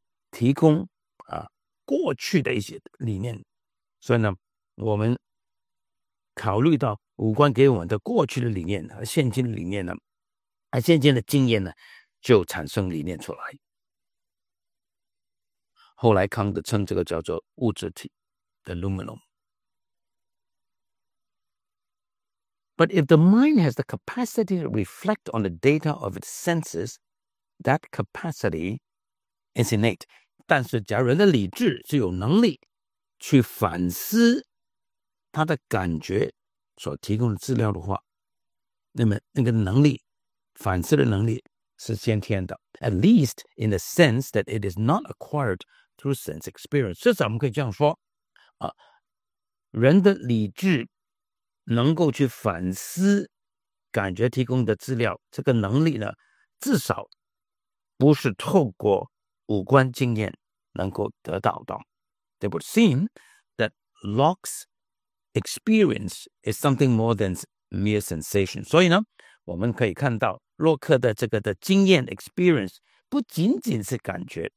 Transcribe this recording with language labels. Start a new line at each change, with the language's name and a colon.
Chinese: 提供过去的一些理念，所以呢我们考虑到五官给我们的过去的理念和现今的理念呢，而现今的经验呢就产生理念出来。后来康德称这个叫做物质体 the luminum.
English: But if the mind has the capacity to reflect on the data of its senses, that capacity is innate.
Chinese: 但是假如人的理智是有能力去反思他的感觉所提供的资料的话，那么那个能力反思的能力是先天的，
English: at least in the sense that it is not acquiredthrough sense experience.
Chinese: 至少我们可以这样说人的理智能够去反思感觉提供的资料，这个能力呢至少不是透过五官经验能够得到的。
English: It would seem that Locke's experience is something more than mere sensation.
Chinese: 所以呢我们可以看到洛克的这个的经验 experience不仅仅是感觉。